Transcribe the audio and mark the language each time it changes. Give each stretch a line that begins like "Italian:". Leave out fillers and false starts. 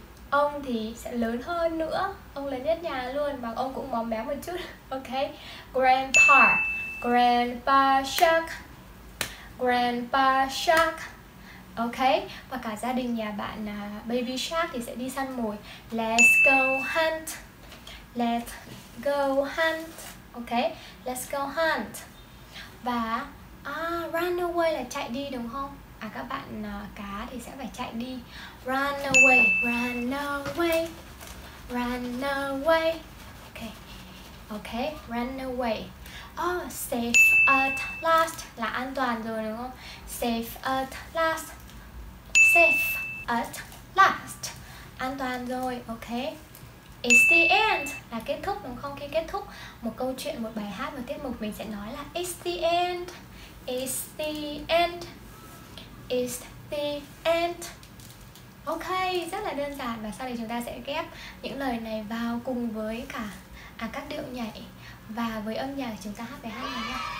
Vietnamese: Ông thì sẽ lớn hơn nữa, ông lớn nhất nhà luôn và ông cũng móm béo một chút.
English: Ok, Grandpa, Grandpa Shark, Grandpa Shark.
Vietnamese: Ok, và cả gia đình nhà bạn Baby Shark thì sẽ đi săn mồi.
English: Let's go hunt, let's go hunt. Ok, let's go hunt.
Vietnamese: Và
English: run away
Vietnamese: là chạy đi đúng không? À, các bạn cá thì sẽ phải chạy đi.
English: Run away, run away, run away. Ok, ok, run away. Oh, safe at last
Vietnamese: là an toàn rồi đúng không?
English: Safe at last, safe at last,
Vietnamese: an toàn rồi,
English: ok. It's the end
Vietnamese: là kết thúc đúng không? Khi kết thúc một câu chuyện, một bài hát, một tiết mục, mình sẽ nói là
English: it's the end, it's the end, is the end.
Vietnamese: Ok, rất là đơn giản. Và sau đây chúng ta sẽ ghép những lời này vào cùng với cả các điệu nhảy và với âm nhạc chúng ta hát về hát này nha.